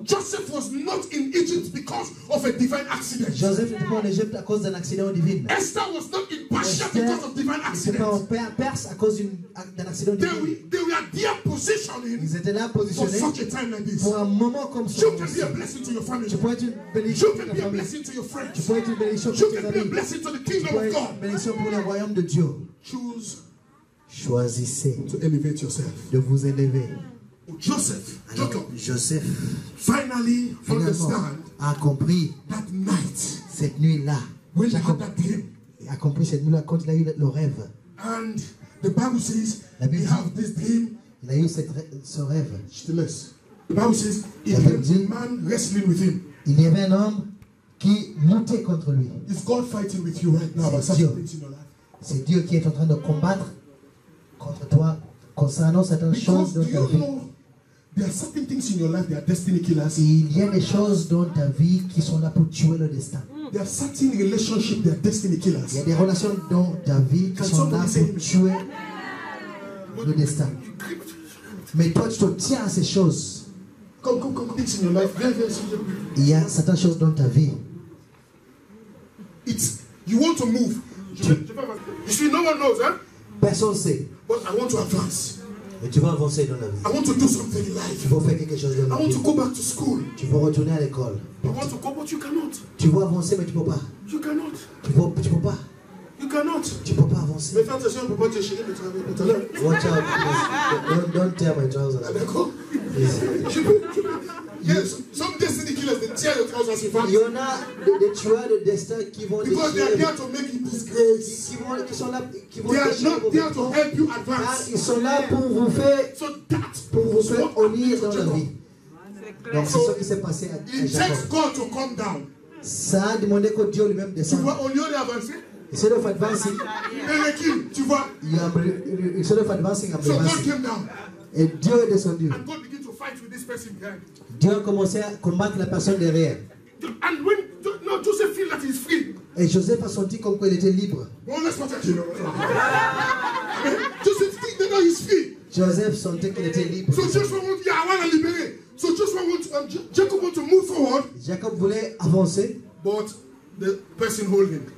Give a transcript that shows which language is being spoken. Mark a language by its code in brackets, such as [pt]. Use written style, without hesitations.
[en] Joseph was not in Egypt because of a divine accident. [fr] Joseph n'était pas en Égypte à cause d'un accident divin. [en] Esther was not in Persia because of divine accident. [fr] Esther n'était pas en Perse à cause d'un accident divin. [en] They were positioning. [fr] Ils étaient là positionnés [en] for such a time like this. [fr] Pour un moment comme ça. [en] You can be a blessing to your family. [fr] Tu peux être une bénédiction pour ta famille. [en] You can be a blessing to your friends. [fr] Tu peux être une bénédiction pour tes amis. [en] You can be a blessing to the kingdom of God. [fr] Pour le royaume de Dieu. [en] Choose. [fr] Choisissez [en] to elevate yourself. [fr] De vous élever. [en] Joseph, [fr] Joseph [en] finally understand [fr] a compris [en] that night, [fr] cette nuit-là, [en] when he had that dream, [fr] a compris cette nuit-là quand il a eu le rêve. [en] And the Bible says, [fr] la Bible, [en] he had this dream. [fr] Il a eu ce rêve. Je te laisse. [en] The Bible says, [fr] il y avait un [en] man wrestling with him. [fr] Il y avait un homme qui luttait contre lui. [en] Is God fighting with you right now? [fr] C'est Dieu. C'est Dieu qui est en train de combattre contre toi concernant certaines choses dans ta vie. [en] There are certain things in your life that are destiny killers. [fr] Il y a des choses dans ta vie qui sont là pour tuer le destin. [en] There are certain relationships that are destiny killers. [fr] Il y a des relations dans ta vie qui sont là pour tuer le destin. Mais toi, tu te tiens à ces choses. [en] Comme things in your life. [fr] Il y a certaines choses dans ta vie. [en] It's you want to move. You see, no one knows, huh? [fr] Personne sait. [en] But I want to advance. [fr] Et tu veux avancer dans la vie. [en] I want to do something in life. [fr] Tu veux faire quelque chose dans la [en] vie. I want to go back to school. [fr] Tu veux retourner à l'école. [en] I want to go, but you cannot. [fr] Tu veux avancer mais tu peux pas. [en] You cannot. [fr] Tu peux pas. [en] You cannot. [fr] Tu peux pas avancer. Mais fais attention, ne peux pas te chiner [en] mes trousers. Watch out. Don't tear my trousers. [fr] D'accord. [en] Yes. Some destiny killers, they tear your trousers in front. [fr] Il y en a des tueurs de destin qui vont [en] déchirer. Because they are to make you disgrace. [fr] Qui sont là, qui [en] they are not there to help you advance. [fr] Ils sont là pour vous faire, [en] so that [fr] pour vous faire honnir dans la vie. Donc c'est ce qui s'est passé à Jacob. [en] It takes God to come down. [fr] Ça a demandé que Dieu lui-même descende. Tu vois, au lieu d'avancer. [en] Instead of advancing, [fr] tu vois. [en] Instead of advancing, so God came down. [fr] Et Dieu est descendu. [en] And God began to fight with this person behind. [fr] Dieu a commencé à combattre la personne derrière. [en] And when no, Joseph feel that he's free. [fr] Et Joseph a senti comme qu'il était libre. [en] Joseph think that he's free. [fr] Joseph sentait qu'il était libre. [en] So Joseph want, yeah, I want to liberate. So Joseph want, Jacob want to move forward. [fr] Jacob voulait avancer. [en] But the person holding.